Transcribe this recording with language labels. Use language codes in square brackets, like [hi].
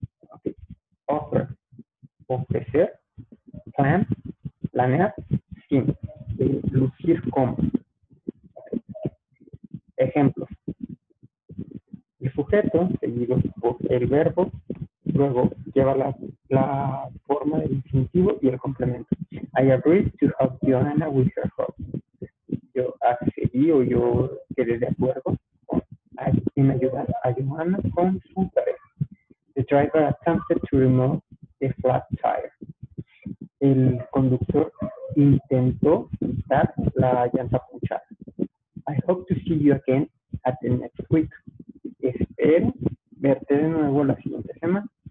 [es] Okay. Offer, ofrecer. Plan, planear. Sí, lucir como. Ejemplos. If sujeto, seguido por el verbo, luego lleva la forma del infinitivo y el complemento. [en] I agreed to help Joanna with her hobby. [es] Yo accedí o yo quedé de acuerdo en ayudar a Joanna con su tarea. [en] The driver attempted to remove a flat tire. [es] El conductor intentó quitar la llanta punchada. [en] I hope to see you again at the next week. [es] Espero verte de nuevo la siguiente semana.